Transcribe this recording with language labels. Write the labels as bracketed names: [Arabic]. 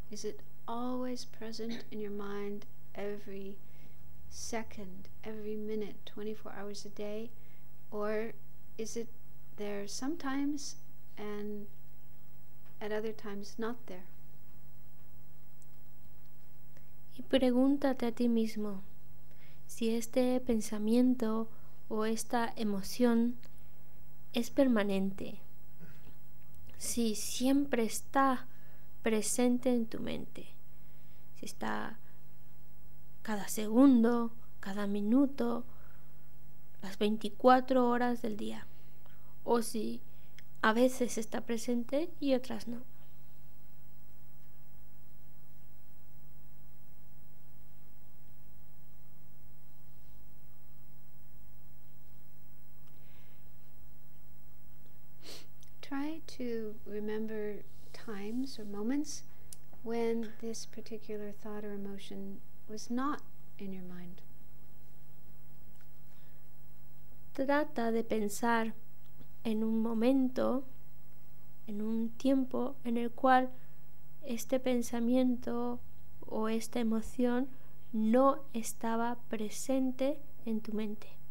[English] Is it always present in your mind every second, every minute, 24 hours a day? Or is it there sometimes and at other times not there? [Spanish] Y pregúntate a ti mismo si este pensamiento o esta emoción es permanente. Si siempre está presente en tu mente. Si está cada segundo, cada minuto, las 24 horas del día. O si a veces está presente y otras no. [English] Try to remember times or moments when this particular thought or emotion was not in your mind. [Spanish] Trata de pensar en un momento, en un tiempo en el cual este pensamiento o esta emoción no estaba presente en tu mente.